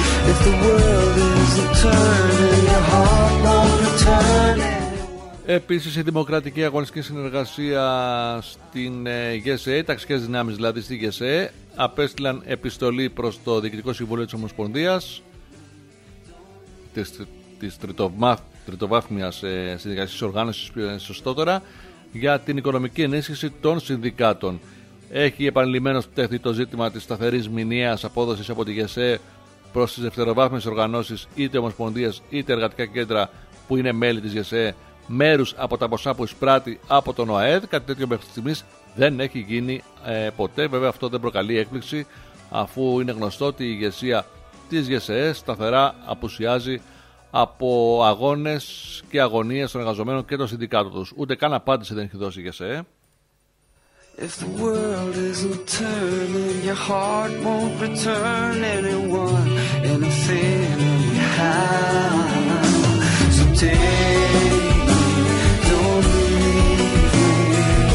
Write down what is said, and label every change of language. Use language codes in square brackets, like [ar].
[en] If the world is a turn and your heart won't return. [el] Επίσης η Δημοκρατική Αγωνιστική Συνεργασία στην ΓΕΣΕΕ, ταξικές δυνάμεις δηλαδή στη ΓΕΣΕΕ, απέστειλαν επιστολή προς το Διοικητικό Συμβούλιο της Ομοσπονδίας της τριτοβάθμιας συνεργασίας οργάνωσης, σωστότερα, για την οικονομική ενίσχυση των συνδικάτων. Έχει επανειλημμένως τεθεί το ζήτημα της σταθερής μηνιαίας απόδοσης από τη ΓΕΣΕΕ προς τις δευτεροβάθμιες οργανώσεις, είτε ομοσπονδίες είτε εργατικά κέντρα που είναι μέλη της ΓΕΣΕΕ, μέρους από τα ποσά που εισπράττει από τον ΟΑΕΔ. Κάτι τέτοιο μέχρι στιγμής δεν έχει γίνει ποτέ. Βέβαια, αυτό δεν προκαλεί έκπληξη, αφού είναι γνωστό ότι η ηγεσία της ΓΕΣΕΕ σταθερά απουσιάζει από αγώνες και αγωνίες των εργαζομένων και των συνδικάτων τους. Ούτε καν απάντηση δεν έχει δώσει η ΓΕΣΕΕ. [en] If the world isn't turning, your heart won't return anyone in a family house. So take me, don't leave me,